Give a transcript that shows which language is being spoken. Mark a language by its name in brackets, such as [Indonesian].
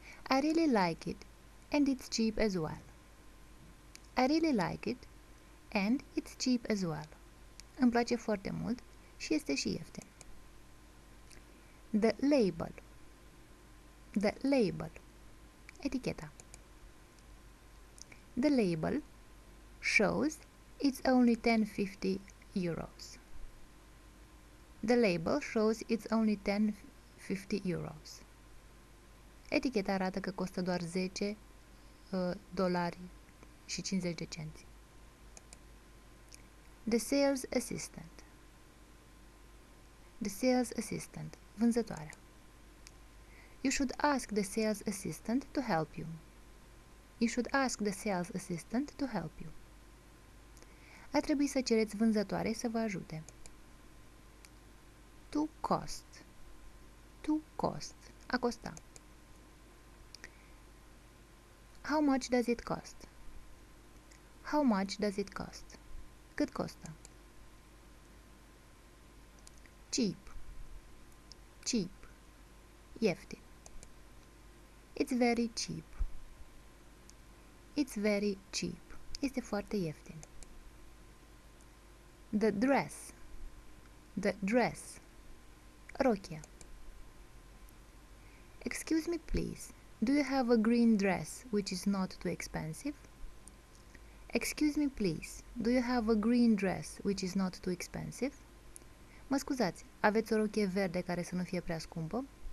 [English] I really like it and it's cheap as well. I really like it and it's cheap as well. [Romanian] Îmi place foarte mult și este și ieftin. [English] The label. The label. [Romanian] Eticheta. [English] The label shows it's only 10.50 euros. The label shows it's only 10.50 euros. [Romanian] Eticheta arată că costă doar 10 dolari și 50 de cenți. [English] The sales assistant. The sales assistant. [Romanian] Vânzătoarea. [English] You should ask the sales assistant to help you. You should ask the sales assistant to help you. [Romanian] Ar trebui să cereți vânzătoare să vă ajute. [English] To cost. To cost. [Romanian] A costa. [English] How much does it cost? How much does it cost? [Romanian] Cât costă? [English] Cheap. Cheap. [Romanian] Ieftin. [English] It's very cheap. It's very cheap. [Romanian] Este foarte ieftin. [English] The dress. The dress. [Romanian] Rochia. [English] Excuse me, please. Do you have a green dress which is not too expensive? Excuse me, please. Do you have a green dress which is not too expensive? [Romanian] Mă scuzați, aveți o rochie verde care să nu fie prea scumpă?